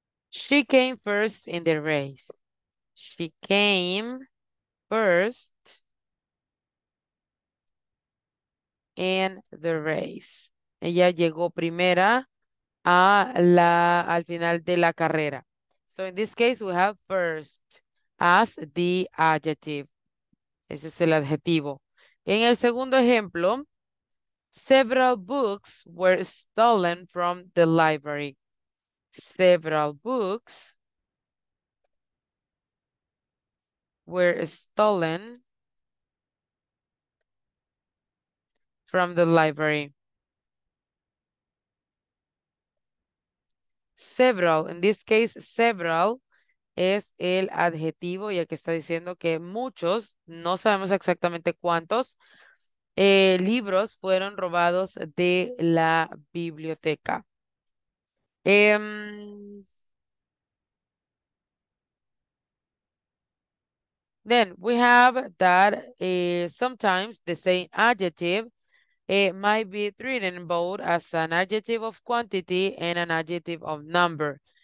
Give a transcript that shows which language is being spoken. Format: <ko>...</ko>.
<en>She came first in the race. She came first in the race.</en> <es>Ella llegó primera a la al final de la carrera.</es> <en>So in this case, we have first as the adjective.</en> <es>Ese es el adjetivo. En el segundo ejemplo,</es> <en>several books were stolen from the library. Several books were stolen from the library. Several, in this case, several.</en> <es>Es el adjetivo, ya que está diciendo que muchos, no sabemos exactamente cuántos, libros fueron robados de la biblioteca.</es> <en>Then we have that sometimes the same adjective might be written both as an adjective of quantity and an adjective of number.</en>